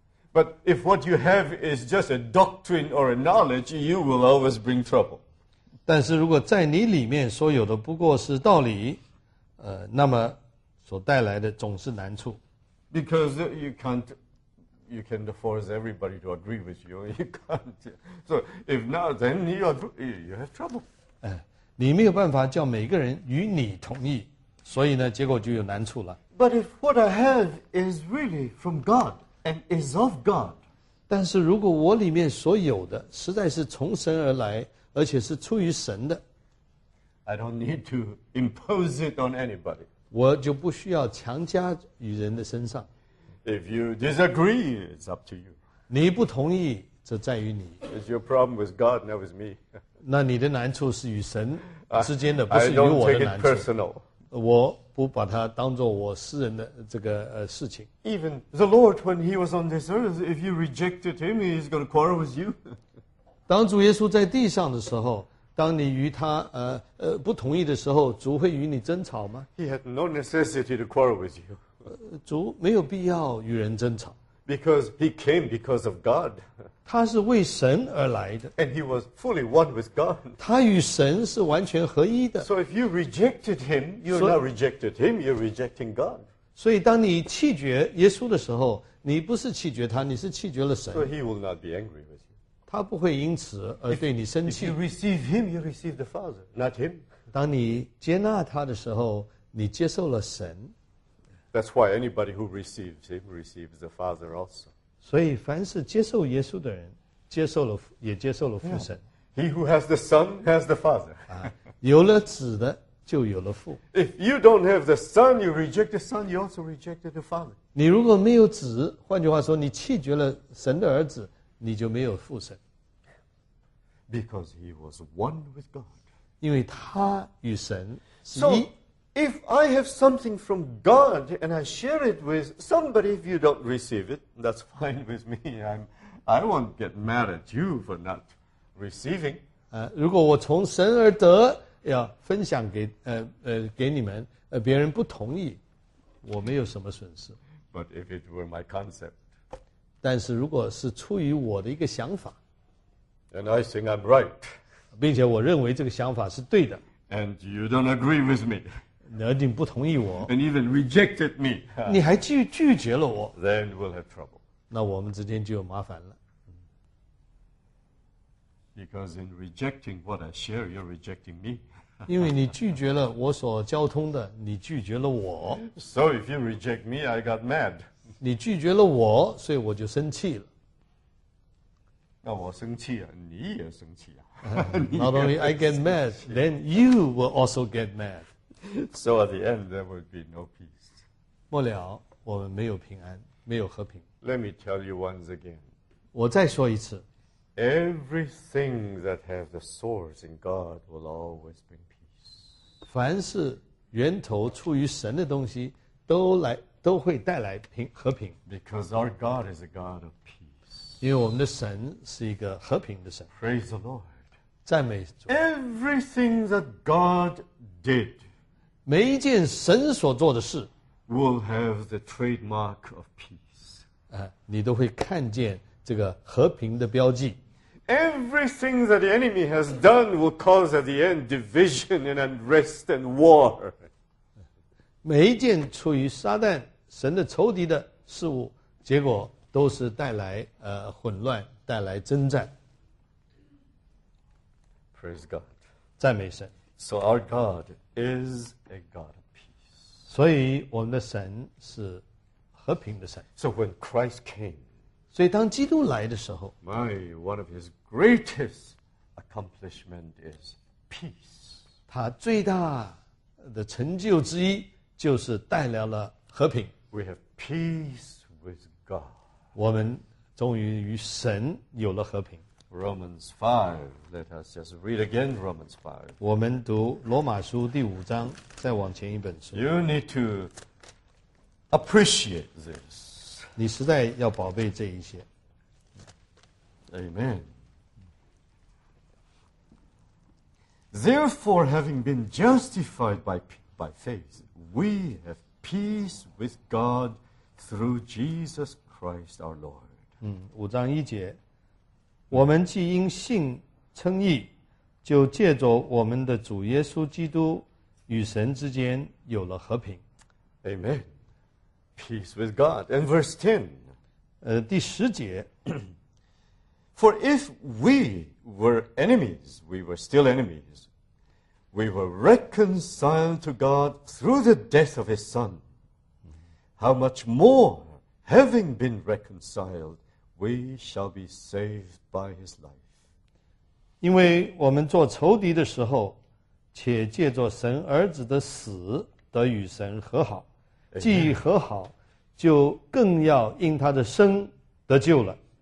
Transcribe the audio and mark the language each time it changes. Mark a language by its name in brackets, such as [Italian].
[English] But if what you have is just a doctrine or a knowledge, you will always bring trouble. [Chinese] 但是如果在你里面所有的不过是道理，那么所带来的总是难处。 [English] Because you can't, you can force everybody to agree with you. You can't. So if not, then you have trouble. [Chinese] 你没有办法叫每个人与你同意，所以呢，结果就有难处了。 [English] But if what I have is really from God and is of God, [Chinese] 但是如果我里面所有的实在是从神而来，而且是出于神的 [English] ，I don't need to impose it on anybody. [Chinese] 我就不需要强加于人的身上。 [English] If you disagree, it's up to you. [Chinese] 你不同意，这在于你。 [English] It's your problem with God, not with me. [Chinese] 那你的难处是与神之间的，不是与我的难处。 [English] I don't take it personal. [Chinese] 我不把它当作我私人的这个事情。 [English] Even the Lord, when he was on this earth, if you rejected him, he's going to quarrel with you. [Chinese] 当主耶稣在地上的时候，当你与他不同意的时候，主会与你争吵吗 [English] ？He had no necessity to quarrel with you. [Chinese] 主没有必要与人争吵。 [English] Because he came because of God. [Chinese] 他是为神而来的。 [English] And he was fully one with God. [Chinese] 他与神是完全合一的。 [English] So if you rejected him, you're not rejected him, you're rejecting God. [Chinese] 所以当你弃绝耶稣的时候，你不是弃绝他，你是弃绝了神。 [English] So he will not be angry with you. [Chinese] 他不会因此而对你生气。 [English] If you receive him, you receive the Father, not him. [Chinese] 当你接纳他的时候，你接受了神。 [English] That's why anybody who receives him receives the Father also. [Chinese] 所以凡是接受耶稣的人，接受了也接受了父神。 [English] He who has the Son has the Father. [Chinese] 有了子的就有了父。 [English] If you don't have the Son, you reject the Son, you also reject the Father. [Chinese] 你如果没有子，换句话说，你弃绝了神的儿子，你就没有父神。 [English] Because he was one with God. [Chinese] 因为他与神是一。 [English] If I have something from God and I share it with somebody, if you don't receive it, that's fine with me. I won't get mad at you for not receiving. [Chinese] 如果我从神而得，要分享给给你们，别人不同意，我没有什么损失。 [English] But if it were my concept, [Chinese] 但是如果是出于我的一个想法 [English] ，and I think I'm right, [Chinese] 并且我认为这个想法是对的 [English] ，and you don't agree with me. [Chinese] 而你不同意我 [English] ，and even rejected me， [Chinese] 你还拒绝了我 [English] ，then we'll have trouble。 [Chinese] 那我们之间就有麻烦了。 [English] Because in rejecting what I share, you're rejecting me。 [Chinese] 因为你拒绝了我所交通的，你拒绝了我。 [English] So if you reject me, I got mad。 [Chinese] 你拒绝了我，所以我就生气了。那我生气啊，你也生气啊。 [English] Not only I get mad, then you will also get mad。 So at the end, there would be no peace. [Chinese] 末了，我们没有平安，没有和平。 [English] Let me tell you once again. [Chinese] 我再说一次。 [English] Everything that has the source in God will always bring peace. [Chinese] 凡是源头出于神的东西，都会带来和平。 [English] Because our God is a God of peace. [Chinese] 因为我们的神是一个和平的神。 [English] Praise the Lord. [Chinese] 赞美主。 [English] Everything that God did. [Chinese] 每一件神所做的事 [English] will have the trademark of peace. [Chinese] 你都会看见这个和平的标记。 [English] Everything that the enemy has done will cause at the end division and unrest and war. [Chinese] 每一件出于撒旦神的仇敌的事物，结果都是带来混乱，带来征战。 [English] Praise God. [Chinese] 赞美神。 [English] So our God is a God of peace. [Chinese] 所以我们的神是和平的神。 [English] So when Christ came, [Chinese] 所以当基督来的时候 [English] ，My one of his greatest accomplishment is peace. [Chinese] 他最大的成就之一就是带来了和平。 [English] We have peace with God. [Chinese] 我们终于与神有了和平。 [English] Romans 5, let us just read again Romans 5. [Chinese] 我们读罗马书第五章，再往前一本书。 [English] You need to appreciate this. [Chinese] 你实在要宝贝这一些。 [English] Amen. Therefore, having been justified by faith, we have peace with God through Jesus Christ our Lord. [Chinese] 五章一节。我们既因信称义，就借着我们的主耶稣基督与神之间有了和平。 [English] Amen. Peace with God. And verse 10. [Chinese] 第十节。 [English] For if we were enemies, we were still enemies. We were reconciled to God through the death of his son. How much more, having been reconciled, we shall be saved by his life. [Chinese] 因为我们做仇敌的时候，且借着神儿子的死得与神和好，既和好，就更要因他的生得救了。